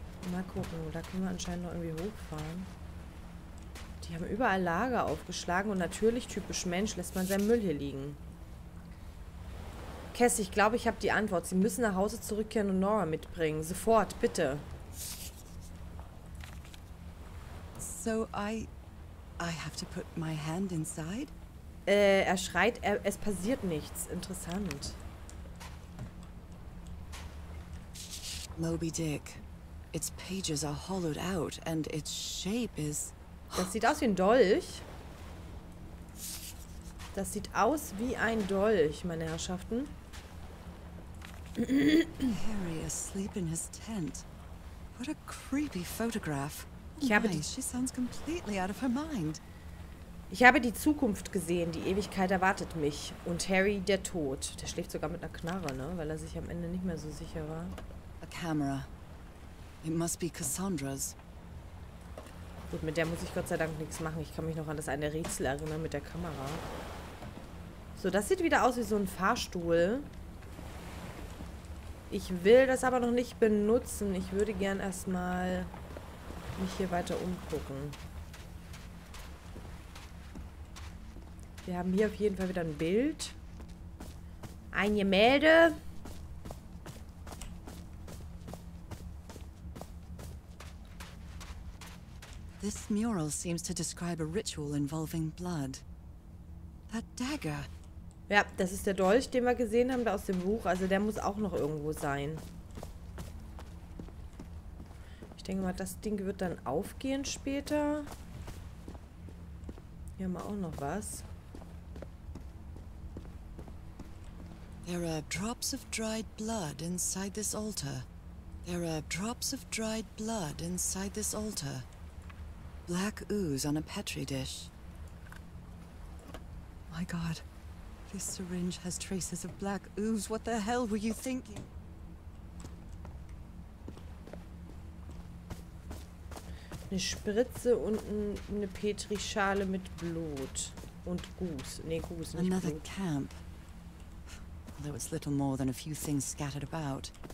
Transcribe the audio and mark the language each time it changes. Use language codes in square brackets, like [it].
[de] Mal gucken, da können wir anscheinend noch irgendwie hochfahren. Die haben überall Lager aufgeschlagen und natürlich, typisch Mensch, lässt man seinen Müll hier liegen. Cass, ich glaube, ich habe die Antwort. Sie müssen nach Hause zurückkehren und Nora mitbringen. Sofort, bitte. [en] So, I have to put my hand inside? [de] Er schreit, es passiert nichts. Interessant. Moby Dick. [en] Its pages are hollowed out and its shape is... [de] Das sieht aus wie ein Dolch. Das sieht aus wie ein Dolch, meine Herrschaften. [en] Harry asleep in his tent. What a creepy photograph. [de] Ich habe die... [en] She sounds completely out of her mind. [de] Ich habe die Zukunft gesehen, die Ewigkeit erwartet mich. Und Harry, der Tod. Der schläft sogar mit einer Knarre, ne? Weil er sich am Ende nicht mehr so sicher war. [en] A camera. It must be Cassandra's. [de] Gut, mit der muss ich Gott sei Dank nichts machen. Ich kann mich noch an das eine Rätsel erinnern mit der Kamera. So, das sieht wieder aus wie so ein Fahrstuhl. Ich will das aber noch nicht benutzen. Ich würde gern erstmal mich hier weiter umgucken. Wir haben hier auf jeden Fall wieder ein Bild. Ein Gemälde. [en] This mural seems to describe a ritual involving blood. That dagger. [de] Ja, das ist der Dolch, den wir gesehen haben, der aus dem Buch. Also der muss auch noch irgendwo sein. Ich denke mal, das Ding wird dann aufgehen später. Hier haben wir auch noch was. [en] There are drops of dried blood inside this altar. There are drops of dried blood inside this altar. Black ooze on a petri dish. My God, this syringe has traces of black ooze. What the hell were you thinking? [de] Eine Spritze und eine Petrischale mit Blut und Guß. Nee, Guß, nicht Blut. Another camp. Although it's little more than a few things scattered about.